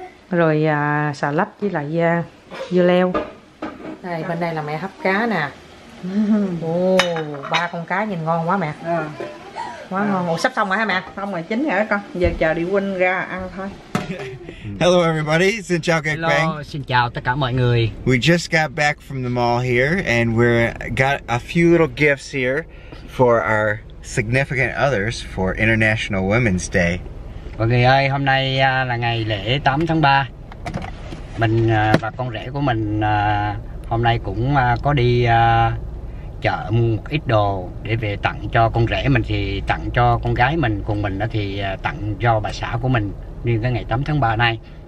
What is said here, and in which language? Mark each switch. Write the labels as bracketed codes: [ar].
[vi] Rồi xà lách với lại dưa leo. Đây, bên đây là mẹ hấp cá nè. Ồ, ba con cá nhìn ngon quá mẹ. Quá ngon. Ồ, sắp xong rồi hả mẹ? Xong rồi, chín rồi con. Giờ chờ đi quên ra ăn thôi. [en] Hello everybody, [vi] xin chào các bạn. Hello, xin chào tất cả mọi người. [en] We just got back from the mall here and we're got a few little gifts here for our significant others for International Women's Day. [vi] Mọi người ơi, hôm nay là ngày lễ 8 tháng 3. Mình và con rể của mình hôm nay cũng có đi chợ mua một ít đồ để về tặng cho con rể mình, thì tặng cho con gái mình, cùng mình thì tặng cho bà xã của mình nên cái ngày 8 tháng 3 này.